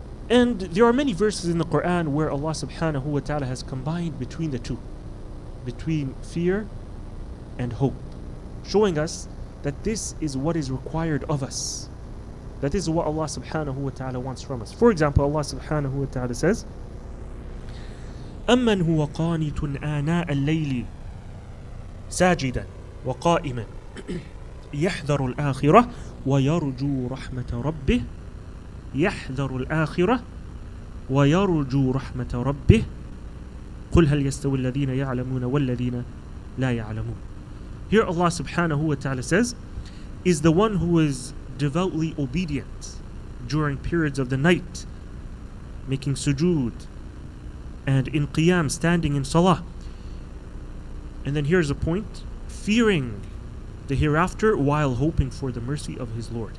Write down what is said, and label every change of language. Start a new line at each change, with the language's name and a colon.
English: And there are many verses in the Quran where Allah subhanahu wa ta'ala has combined between the two, between fear and hope, showing us that this is what is required of us. That is what Allah subhanahu wa ta'ala wants from us. For example, Allah subhanahu wa ta'ala says,
Arabic: أَمَّنْ هُوَ قَانِتٌ آنَاءَ اللَّيْلِ سَاجِدًا وَقَائِمًا يَحْذَرُ الْآخِرَةِ وَيَرْجُو رَحْمَةَ رَبِّهِ يَحْذَرُ الْآخِرَةِ وَيَرْجُو رَحْمَةَ رَبِّهِ قُلْ هَلْ يَسْتَوِي الَّذِينَ يَعْلَمُونَ وَالَّذِينَ لَا يَعْلَمُونَ.
English: Here Allah subhanahu wa ta'ala says, is the one who is devoutly obedient during periods of the night, making sujood, and in qiyam, standing in salah. And then here's a point, fearing the hereafter while hoping for the mercy of his Lord.